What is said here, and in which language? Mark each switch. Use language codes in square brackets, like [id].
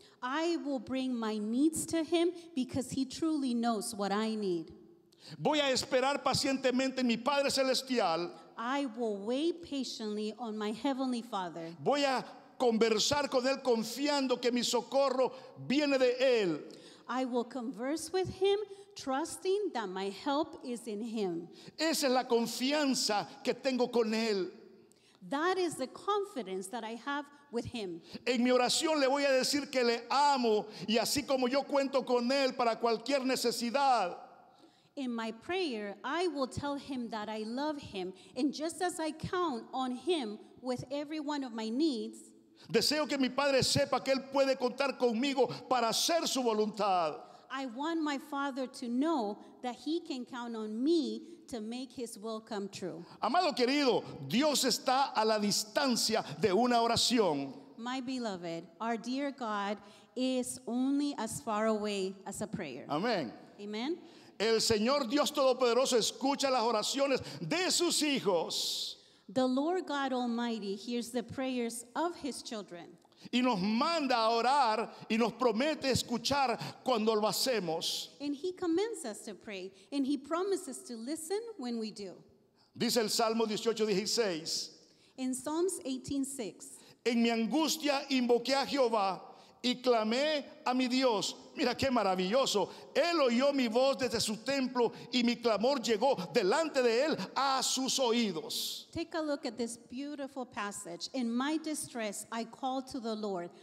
[en] I will bring my needs to him because he truly knows what I need. [es] Voy a esperar pacientemente en mi Padre Celestial. [en] I will wait patiently on my Heavenly Father. [es] Voy a conversar con él confiando que mi socorro viene de él. [en] I will converse with him trusting that my help is in him. [es] Esa es la confianza que tengo con él. [en] That is the confidence that I have with him. [es] En mi oración le voy a decir que le amo y así como yo cuento con él para cualquier necesidad. [en] In my prayer, I will tell him that I love him, and just as I count on him with every one of my needs, [es] deseo que mi padre sepa que él puede contar conmigo para hacer su voluntad. [en] I want my father to know that he can count on me to make his will come true. [es] Amado querido, Dios está a la distancia de una oración. [en] My beloved, our dear God is only as far away as a prayer. [es] Amén. [en] Amen. [es] El Señor Dios Todopoderoso escucha las oraciones de sus hijos. [en] The Lord God Almighty hears the prayers of his children. [es] Y nos manda a orar y nos promete escuchar cuando lo hacemos. [en] And he commands us to pray and he promises to listen when we do. [es] Dice el Salmo 18:16. [en] In Psalms 18:6. [es] En mi angustia invoqué a Jehová y clamé a mi Dios. Mira qué maravilloso. Él oyó mi voz desde su templo y mi clamor llegó delante de él a sus oídos. [en] Take a look at this beautiful passage. In my distress, I called to the Lord.